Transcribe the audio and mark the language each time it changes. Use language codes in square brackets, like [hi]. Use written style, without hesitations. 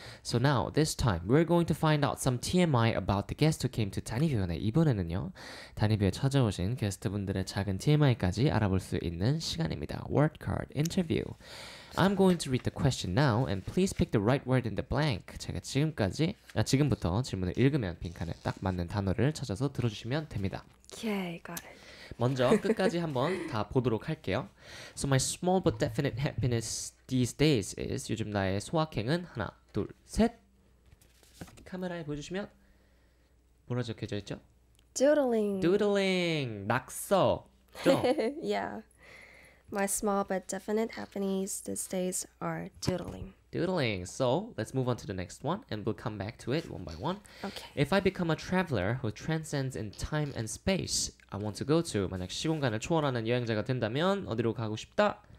[en] So now, this time, we're going to find out some TMI about the guest who came to DANNiVIEW. [ko] 이번에는요, DANNiVIEW에 찾아오신 게스트분들의 작은 TMI까지 알아볼 수 있는 시간입니다. [en] Word card interview. I'm going to read the question now, and please pick the right word in the blank. [ko] 제가 지금부터 질문을 읽으면 빈칸에 딱 맞는 단어를 찾아서 들어주시면 됩니다. [en] Okay, got it. [ko] 먼저 끝까지 한번 다 보도록 할게요. [en] So my small but definite happiness these days is [ko] 요즘 나의 소확행은 하나, 둘, 셋. 카메라에 보여주시면 뭐라 적혀져 있죠? [en] Doodling. Doodling. [ko] 낙서. [en] yeah. My small but definite happiness these days are doodling. Doodling. So, let's move on to the next one and we'll come back to it one by one. Okay. If I become a traveler who transcends in time and space, I want to go to. [ko] 만약 시공간을 초월하는 여행자가 된다면 어디로 가고 싶다?